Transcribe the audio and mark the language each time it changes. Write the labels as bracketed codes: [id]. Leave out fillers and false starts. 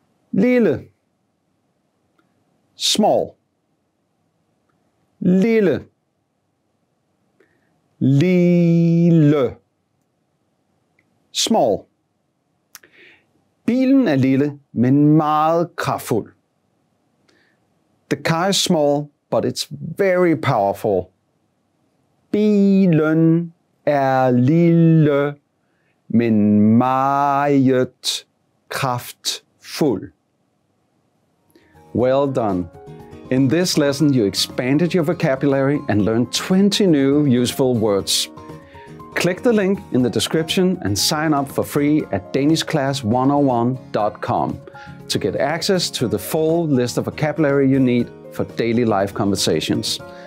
[da] Lille. [en] Small. [da] Lille. Lille. [en] Small. [da] Bilen er lille, men meget kraftfuld. [en] The car is small, but it's very powerful. [da] Bilen er lille, men meget kraftfuld. [en] Well done. In this lesson, you expanded your vocabulary and learned 20 new useful words. Click the link in the description and sign up for free at danishclass101.com to get access to the full list of vocabulary you need for daily life conversations.